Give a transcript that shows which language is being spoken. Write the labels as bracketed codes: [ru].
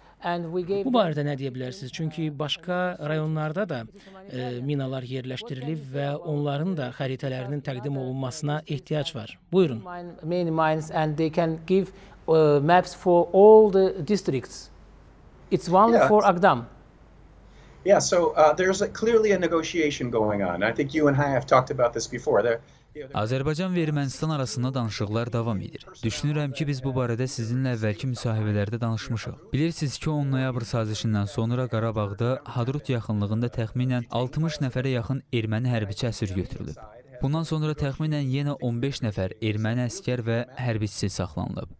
[az] Bu barədə nə deyə bilərsiniz? Çünki başqa rayonlarda da minalar yerləşdirilib və onların da xəritələrinin təqdim olunmasına ehtiyac var. Buyurun. [en] Many mines and they can give maps for all the districts. It's only for Ağdam. Yeah, so there's clearly a negotiation going on. I think you and I have talked about this before. [az] Azərbaycan və Ermənistan arasında danışıqlar davam edir. Düşünürəm ki, biz bu barədə sizinlə əvvəlki müsahibələrdə danışmışıq. Bilirsiniz ki, 10 noyabr sazişindən sonra Qarabağda Hadrut yaxınlığında təxminən 60 nəfərə yaxın erməni hərbiçi əsir götürülüb. Bundan sonra təxminən yenə 15 nəfər erməni əsgər və hərbiçisi saxlanılıb.